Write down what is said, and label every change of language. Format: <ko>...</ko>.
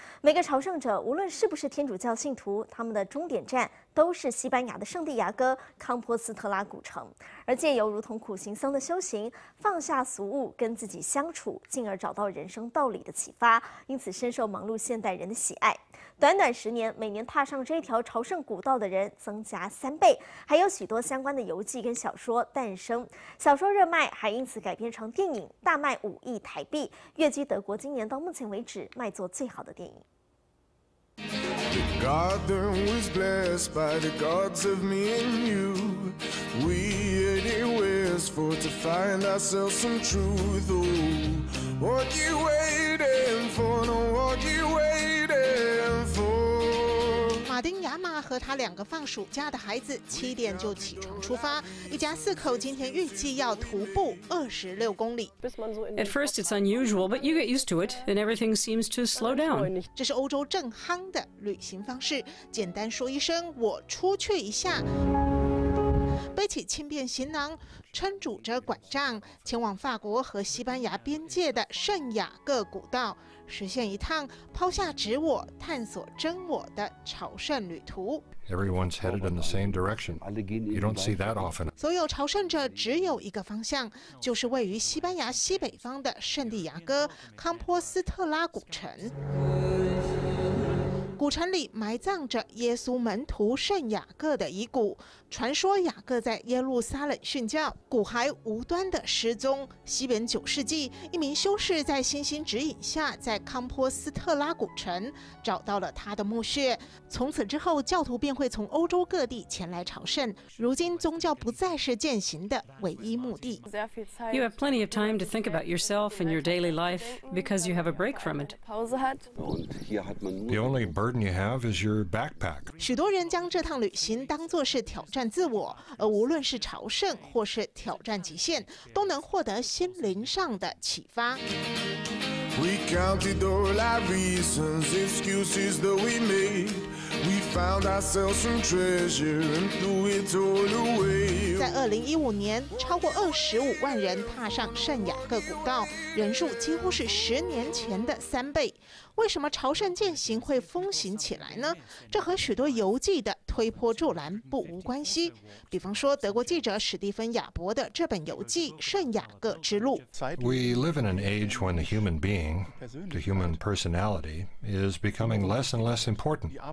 <zh>每个朝圣者，无论是不是天主教信徒，他们的终点站都是西班牙的圣地亚哥康波斯特拉古城，而借由如同苦行僧的修行，放下俗物，跟自己相处，进而找到人生道理的启发，因此深受忙碌现代人的喜爱。短短10年，每年踏上这条朝圣古道的人增加3倍，还有许多相关的游记跟小说诞生，小说热卖还因此改编成电影，大卖5亿台币，跃居德国今年到目前为止卖座最好的电影。</zh> <en>The garden was blessed by the gods of me and you. We had a wish for to find ourselves some truth. Oh, what you waiting for? No, what you waiting for?</en> <zh>马丁·雅马和他两个放暑假的孩子7点就起床出发，一家四口今天预计要徒步26公里。</zh> <en>At first it's unusual, but you get used to it, and everything seems to slow down.</en> <zh>这是欧洲正夯的旅行方式，简单说一声我出去一下，背起轻便行囊，撑拄着拐杖，前往法国和西班牙边界的圣雅各古道，实现一趟抛下自我、探索真我的朝圣旅途。</zh> <en>Everyone's headed in the same direction. You don't see that often.</en> <zh>所有朝圣者只有一个方向，就是位于西班牙西北方的圣地亚哥康波斯特拉古城。古城里埋葬着耶稣门徒圣雅各的遗骨，传说雅各在耶路撒冷殉教，骨骸无端的失踪。西元9世纪，一名修士在星星指引下，在康波斯特拉古城找到了他的墓穴，从此之后教徒便会从欧洲各地前来朝圣，如今宗教不再是践行的唯一目的。</zh> <en>You have plenty of time to think about yourself and your daily life because you have a break from it. The burden you have is your backpack.</en> <zh>许多人将这趟旅行当作是挑战自我，而无论是朝圣或是挑战极限，都能获得心灵上的启发。</zh> <en>We counted all our reasons, excuses that we made. We found ourselves some treasure and threw it all away.</en> <zh>在2015年，超过25万人踏上圣雅各古道，人数几乎是10年前的3倍。为什么朝圣践行会风行起来呢？这和许多游记的推波助澜不无关系。比方说，德国记者史蒂芬·雅伯的这本游记《圣雅各之路》。</zh> <en>We live in an age when the human being, the human personality, is becoming less and less important.</en>